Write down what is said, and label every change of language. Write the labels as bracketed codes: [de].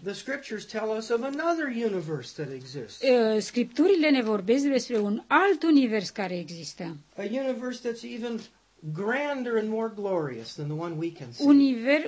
[en] The scriptures tell us of another universe that exists. [ro] Scripturile ne vorbesc despre un alt univers care există. [en] A universe that's even grander and more glorious than the one we can see.